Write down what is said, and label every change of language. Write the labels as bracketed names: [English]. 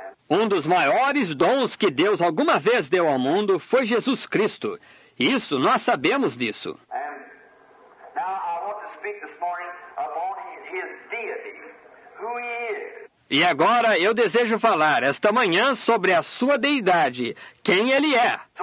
[Portuguese] Um dos maiores dons que Deus alguma vez deu ao mundo foi Jesus Cristo. Isso, nós sabemos disso. [English] Now I want to speak this morning about his deity, who he is. [Portuguese] E agora eu desejo falar esta manhã sobre a sua deidade, quem ele é.